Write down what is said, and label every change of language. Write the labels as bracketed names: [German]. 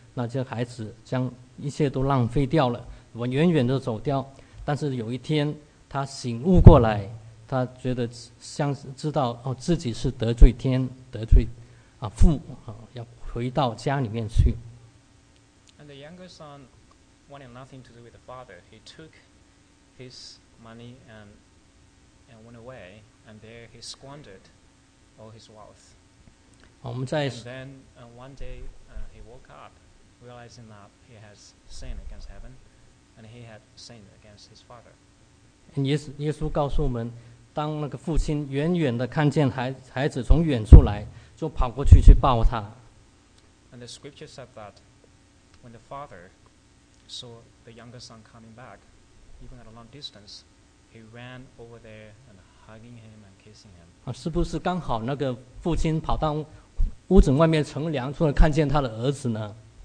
[Chinese] 那这孩子将一切都浪费掉了，我远远的走掉。但是有一天他醒悟过来，他觉得像知道哦自己是得罪天得罪啊父啊，要回到家里面去。 [English] And the younger son wanted nothing to do with the father. He took his money and went away. And there he squandered all his wealth. And then one day he woke up, realizing that he has sinned against heaven, and he had sinned against his father. And [Chinese] 耶稣告诉我们，当那个父亲远远的看见孩子从远处来，就跑过去去抱他。 [English] And the scripture said that when the father saw the younger son coming back, even at a long distance, he ran over there and hugging him and kissing him. [Chinese] 啊，是不是刚好那个父亲跑到屋子外面乘凉，突然看见他的儿子呢？